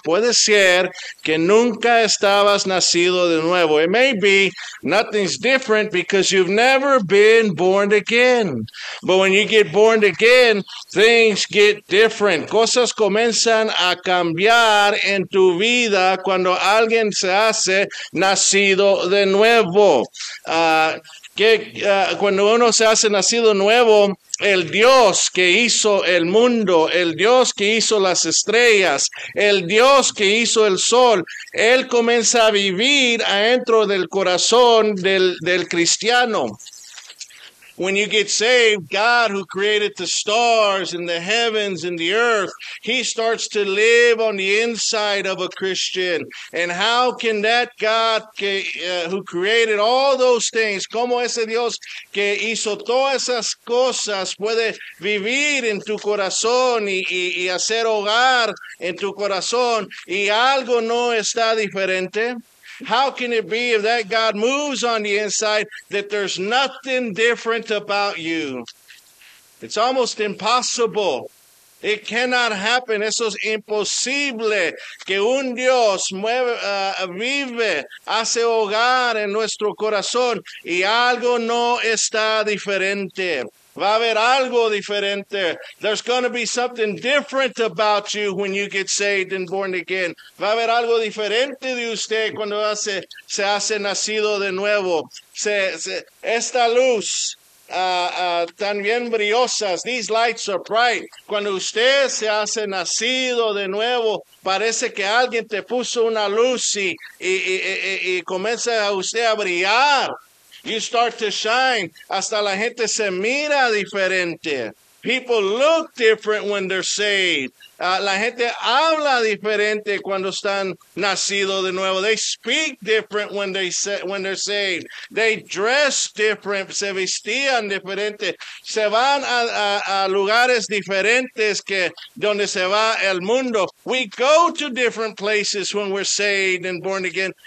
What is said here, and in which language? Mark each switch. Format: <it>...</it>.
<es>Puede ser que nunca estabas nacido de nuevo.</es> <en>It may be nothing's different because you've never been born again. But when you get born again, things get different.</en> <es>Cosas comienzan a cambiar en tu vida cuando alguien se hace nacido de nuevo. Cuando uno se hace nacido nuevo, el Dios que hizo el mundo, el Dios que hizo las estrellas, el Dios que hizo el sol, Él comienza a vivir adentro del corazón del cristiano.</es> <en>When you get saved, God who created the stars and the heavens and the earth, He starts to live on the inside of a Christian. And how can that God who created all those things,</en> <es>como ese Dios que hizo todas esas cosas, puede vivir en tu corazón y hacer hogar en tu corazón y algo no está diferente?</es> <en>How can it be if that God moves on the inside that there's nothing different about you? It's almost impossible. It cannot happen.</en> <es>Eso es imposible que un Dios vive, hace hogar en nuestro corazón y algo no está diferente. Va a haber algo diferente.</es> <en>There's going to be something different about you when you get saved and born again.</en> <es>Va a haber algo diferente de usted cuando se hace nacido de nuevo. Esta luz tan bien brillosa.</es> <en>These lights are bright.</en> <es>Cuando usted se hace nacido de nuevo, parece que alguien te puso una luz y comienza a usted a brillar.</es> <en>You start to shine.</en> <es>Hasta la gente se mira diferente.</es> <en>People look different when they're saved.</en> <es>La gente habla diferente cuando están nacido de nuevo.</es> <en>They speak different when they're saved. They dress different.</en> <es>Se vestían diferente. Se van a lugares diferentes que donde se va el mundo.</es> <en>We go to different places when we're saved and born again.</en>